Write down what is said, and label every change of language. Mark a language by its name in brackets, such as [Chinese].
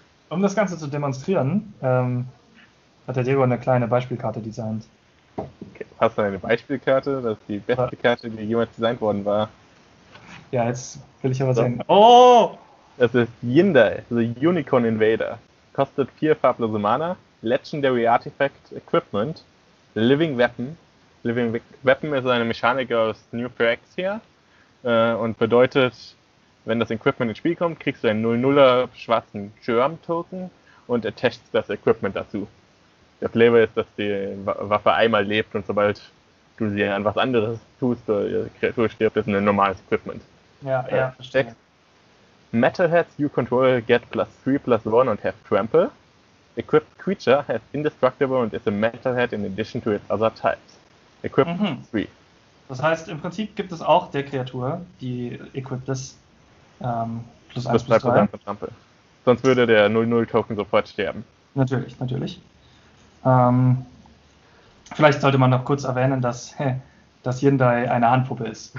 [German] Um das Ganze zu demonstrieren, hat der Diego eine kleine Beispielkarte designt. Okay. Hast du eine Beispielkarte? Das ist die beste Karte, die jemals designt worden war. Ja, jetzt will ich aber sagen. Oh! Das ist Yindai, the Unicorn Invader. Kostet 4 farblose Mana. [English] Legendary Artifact Equipment. Living Weapon. [German] Living Weapon ist eine Mechanik aus New Phyrexia und bedeutet, wenn das Equipment ins Spiel kommt, kriegst du einen 0-0er schwarzen Germ-Token und attachst das Equipment dazu. Der Flavor ist, dass die Waffe einmal lebt und sobald du sie an was anderes tust oder die Kreatur stirbt, ist ein normales Equipment. Ja, verstehe. Text. [English] Metalheads you control get +3/+1 [German] und [English] have Trample. Equipped creature has indestructible and is a Metalhead in addition to its other types. Equipped 3. [German] Das heißt, im Prinzip gibt es auch der Kreatur, die equipped ist, +1/+3. Sonst würde der 0-0-Token sofort sterben. Natürlich, natürlich. Vielleicht sollte man noch kurz erwähnen, dass Yindai eine Handpuppe ist.